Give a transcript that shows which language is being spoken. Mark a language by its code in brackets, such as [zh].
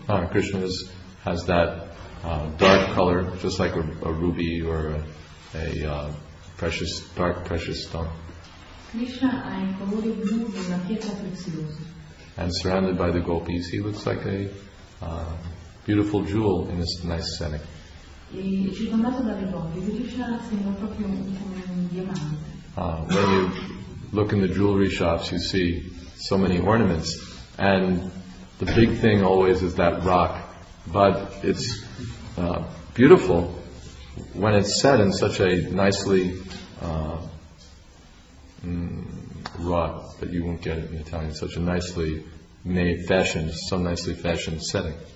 [en] Krishna has that dark color, just like a ruby or a precious stone. [it] Krishna ha il colore blu di una pietra preziosa. [en] And surrounded by the gopis, he looks like a beautiful jewel in this nice setting. [it] E circondato dalle gopi, Krishna sembra proprio come un diamante. [en] When you look in the jewelry shops, you see so many ornaments, and the big thing always is that rock. But it's beautiful when it's set in such a nicely wrought, but you won't get it in Italian, such a nicely made fashion, so nicely fashioned setting.